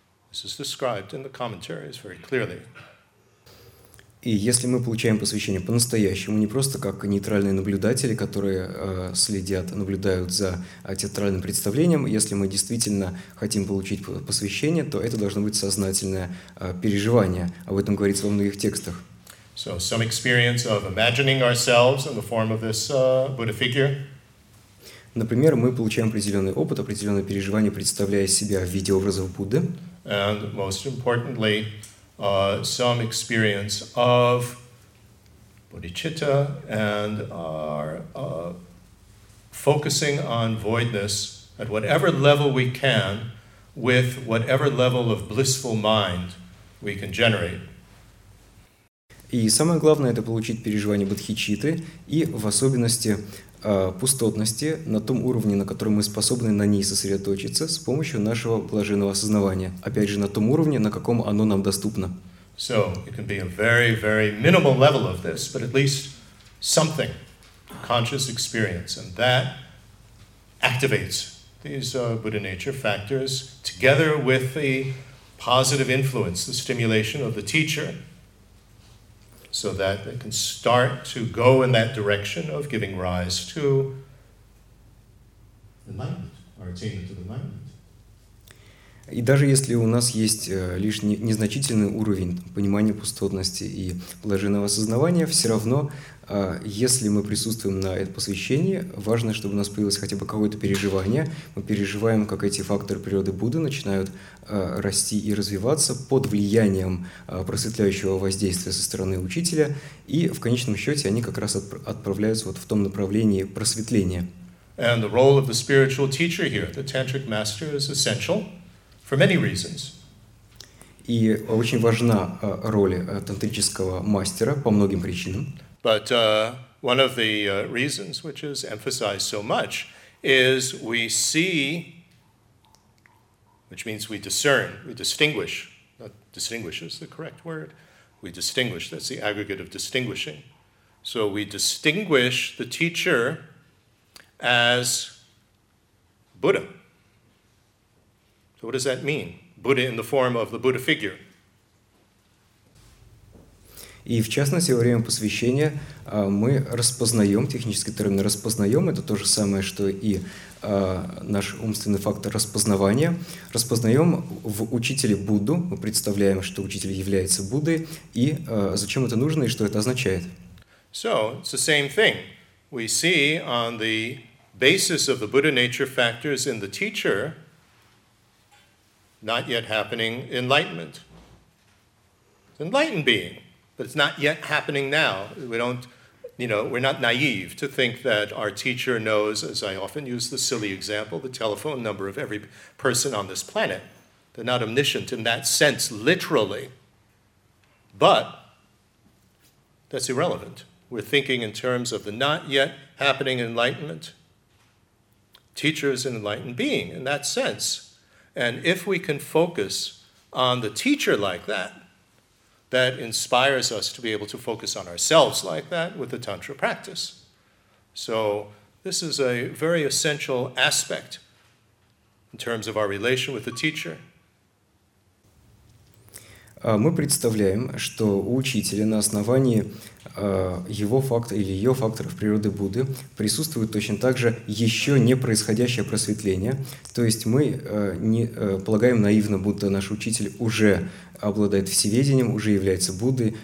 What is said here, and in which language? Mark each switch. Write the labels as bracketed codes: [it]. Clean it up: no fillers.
[en] This is described in the commentaries very clearly. [ru] И если мы получаем посвящение по-настоящему, не просто как нейтральные наблюдатели, которые наблюдают за театральным представлением, если мы действительно хотим получить посвящение, то это должно быть сознательное переживание. Об этом говорится во многих текстах. [en] So some experience of imagining ourselves in the form of this Buddha figure. [ru] Например, мы получаем определенный опыт, определенное переживание, представляя себя в виде образов Будды. [en] And most importantly, some experience of bodhicitta and our focusing on voidness at whatever level we can, with whatever level of blissful mind we can generate. [ru] И самое главное – это получить переживание бодхичитты и, в особенности, пустотности на том уровне, на котором мы способны на ней сосредоточиться с помощью нашего блаженного осознавания. Опять же, на том уровне, на каком оно нам доступно. [en] So, it can be a very, very minimal level of this, but at least something. conscious experience, and that activates these Buddha nature factors together with the positive influence, the stimulation of the teacher, so that they can start to go in that direction of giving rise to enlightenment, or attainment of enlightenment. [ru] И даже если у нас есть лишь незначительный уровень понимания пустотности и блаженного осознавания, все равно, если мы присутствуем на этом посвящении, важно, чтобы у нас появилось хотя бы какое-то переживание. Мы переживаем, как эти факторы природы Будды начинают расти и развиваться под влиянием просветляющего воздействия со стороны учителя, и в конечном счете они как раз отправляются вот в том направлении просветления. [en] And the role of the spiritual teacher here, the tantric master, is essential. For many reasons. [ru] И очень важна роль тантрического мастера по многим причинам. [en] But one of the reasons, which is emphasized so much, is we see, which means we discern, we distinguish. Not distinguish is the correct word. We distinguish. That's the aggregate of distinguishing. So we distinguish the teacher as Buddha. What does that mean? Buddha in the form of the Buddha figure. [ru] И в частности, во время посвящения мы распознаем, технический термин распознаем, это то же самое, что и наш умственный фактор распознавания, распознаем в учителе Будду, мы представляем, что учитель является Буддой, и зачем это нужно, и что это означает. [en] So, it's the same thing. We see on the basis of the Buddha nature factors in the teacher, not yet happening enlightenment. It's an enlightened being, but it's not yet happening now. We don't, you know, we're not naive to think that our teacher knows, as I often use the silly example, the telephone number of every person on this planet. They're not omniscient in that sense, literally. But that's irrelevant. We're thinking in terms of the not yet happening enlightenment. Teacher is an enlightened being in that sense. And if we can focus on the teacher like that, that inspires us to be able to focus on ourselves like that with the Tantra practice. So this is a very essential aspect in terms of our relation with the teacher. [ru] Мы представляем, что у учителя на основании его фактора или ее факторов природы Будды присутствует точно так же еще не происходящее просветление. То есть мы полагаем наивно, будто наш учитель уже обладает всеведением, уже является Буддой.